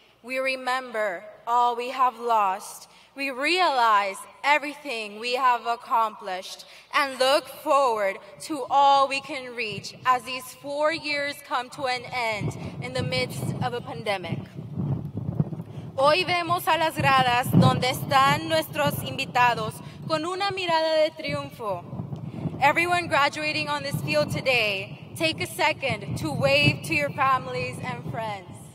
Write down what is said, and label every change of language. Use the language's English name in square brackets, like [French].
[English] We remember all we have lost. We realize everything we have accomplished and look forward to all we can reach as these 4 years come to an end in the midst of a pandemic. [Spanish] Hoy vemos a las gradas donde están nuestros invitados con una mirada de triunfo. [English] Everyone graduating on this field today, take a second to wave to your families and friends.